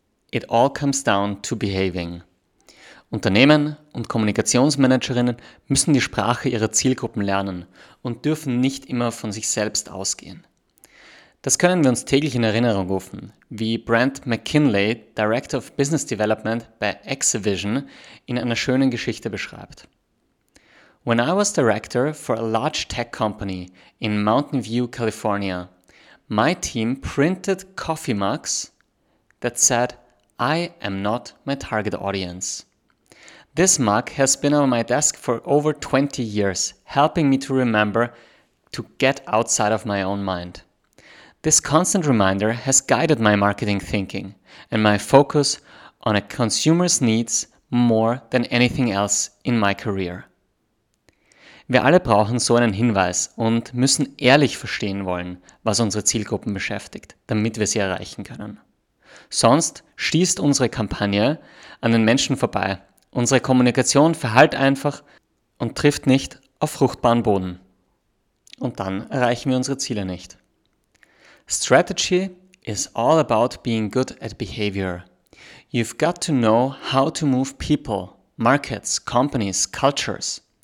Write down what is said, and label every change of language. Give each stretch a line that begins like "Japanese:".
English: It all comes down to behaving.
German: Unternehmen und Kommunikationsmanagerinnen müssen die Sprache ihrer Zielgruppen lernen und dürfen nicht immer von sich selbst ausgehen. Das können wir uns täglich in Erinnerung rufen, wie Brent McKinley, Director of Business Development bei Exavision, in einer schönen Geschichte beschreibt.
English: "When I was director for a large tech company in Mountain View, California, my team printed coffee mugs that said, 'I am not my target audience.' This mug has been on my desk for over 20 years, helping me to remember to get outside of my own mind. This constant reminder has guided my marketing thinking and my focus on a consumer's needs more than anything else in my career."
German: Wir alle brauchen so einen Hinweis und müssen ehrlich verstehen wollen, was unsere Zielgruppen beschäftigt, damit wir sie erreichen können. Sonst schießt unsere Kampagne an den Menschen vorbei. Unsere Kommunikation verhallt einfach und trifft nicht auf fruchtbaren Boden. Und dann erreichen wir unsere Ziele nicht.
English: Strategy is all about being good at behavior. You've got to know how to move people, markets, companies, cultures.